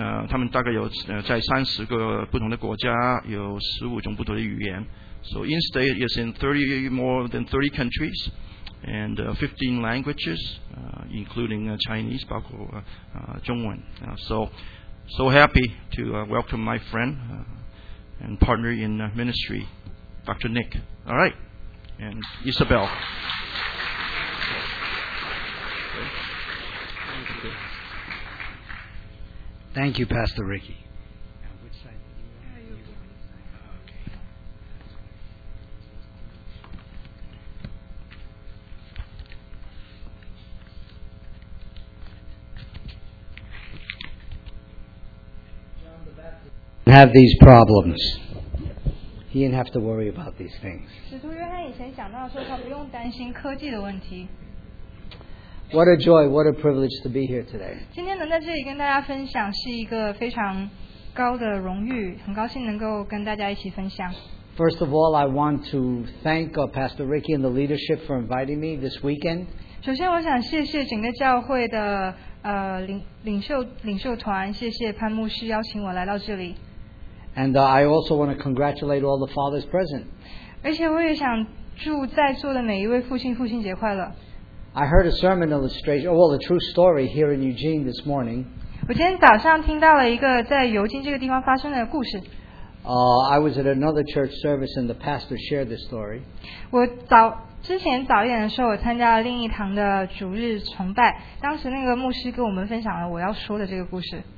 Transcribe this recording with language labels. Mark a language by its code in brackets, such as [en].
[zh] 他们大概有在30个不同的国家，有15种不同的语言。 [en] So In-State is in more than 30 countries and 15 languages, including Chinese, [zh] 包括中文。 [en] So happy to welcome my friend and partner in ministry, Dr. Nick. All right, and Isabel. Thank you, Pastor Ricky. John the Baptist have these problems. He didn't have to worry about these things. [zh] 使徒约翰以前讲到说，他不用担心科技的问题。 [en] What a joy, what a privilege to be here today. [zh] 今天能在这里跟大家分享是一个非常高的荣誉，很高兴能够跟大家一起分享。 [en] First of all, I want to thank Pastor Ricky and the leadership for inviting me this weekend. [zh] 首先我想谢谢整个教会的领袖团，谢谢潘牧师邀请我来到这里。 [en] And I also want to congratulate all the fathers present. [zh] 而且我也想祝在座的每一位父亲节快乐。 [en] I heard a sermon illustration, a true story here in Eugene this morning. [zh] 我今天早上听到了一个在尤金这个地方发生的故事。 [en] I was at another church service and the pastor shared this story. [zh] 我早之前早一点的时候，我参加了另一堂的主日崇拜，当时那个牧师跟我们分享了我要说的这个故事。